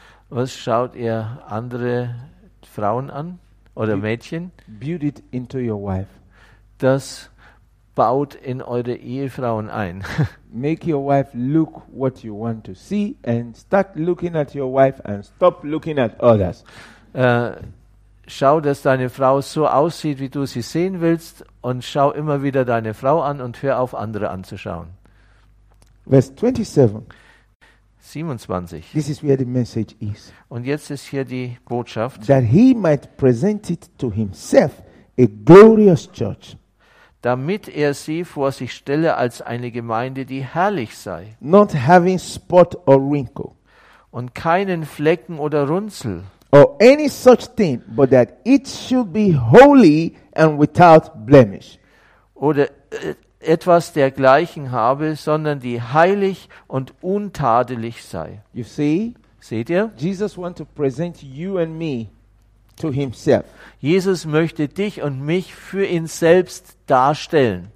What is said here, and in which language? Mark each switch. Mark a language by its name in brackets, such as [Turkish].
[German] was schaut ihr andere Frauen an? Oder Mädchen, [English] build it into your wife. [German] Das baut in eure Ehefrauen ein. [English] Make your wife look what you want to see and start looking at your wife and stop looking at others. [German] Schau, dass deine Frau so aussieht, wie du sie sehen willst, und schau immer wieder deine Frau an und hör auf, andere anzuschauen. Vers 27. 27. [English] This is where the message is. [German] Und jetzt ist hier die Botschaft. [English] That he might present it to himself a glorious church. [German] Damit er sie vor sich stelle als eine Gemeinde, die herrlich sei. [English] Not having spot or wrinkle. [German] Und keinen Flecken oder Runzel. [English] Or any such thing, but that it should be holy and without blemish. [German] Oder etwas dergleichen habe, sondern die heilig und untadelig sei. [English] You see, [German] seht ihr? [English] Jesus want to present you and me to himself. [German] Jesus möchte dich und mich für ihn selbst darstellen.